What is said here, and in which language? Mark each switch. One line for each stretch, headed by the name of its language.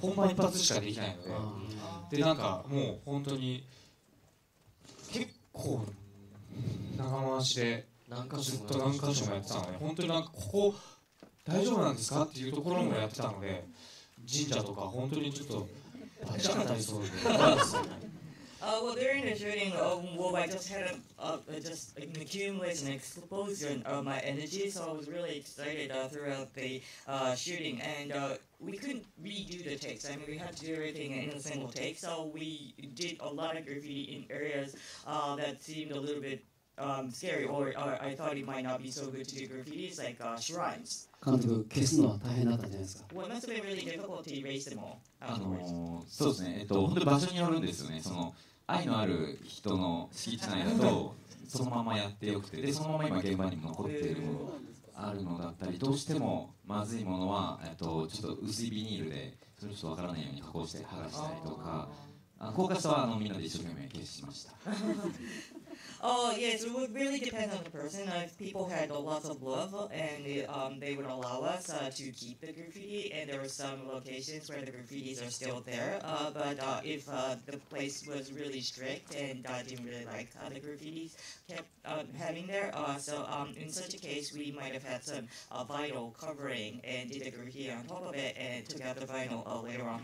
Japanese: 本番一発しかできないので、で、なんかもう本当に結構。長回しで何箇所もやってたので、本当になんかここ大丈夫なんですかっていうところもやってたので、神社とか本当にちょっとバチ当たりそうで。
English: Well, during the shooting of Wolf, I just had an accumulation explosion of my energy, so I was really excited throughout the shooting. And we couldn't redo the takes. I mean, we had to do everything in a single take, so we did a lot of graffiti in areas that seemed a little bit scary, or I thought it might not be so good to do graffiti, is like shrines.
Japanese: 監督、消すのは大変だったじゃないですか。
English: Well, it must have been really difficult to erase them all.
Japanese: そうですね、本当に場所によるんですよね。その愛のある人の敷地内だとそのままやってよくて、でそのまま今現場にも残っているものがあるのだったり、どうしてもまずいものはちょっと薄いビニールでそれちょっとわからないように加工して剥がしたりとか、高架下はみんなで一生懸命消しました。
English: Oh, yes, it would really depend on the person. If people had lots of love, and they would allow us to keep the graffiti, and there were some locations where the graffitis are still there. But if the place was really strict and didn't really like the graffitis kept having there, so in such a case, we might have had some vinyl covering and did the graffiti on top of it and took out the vinyl later on.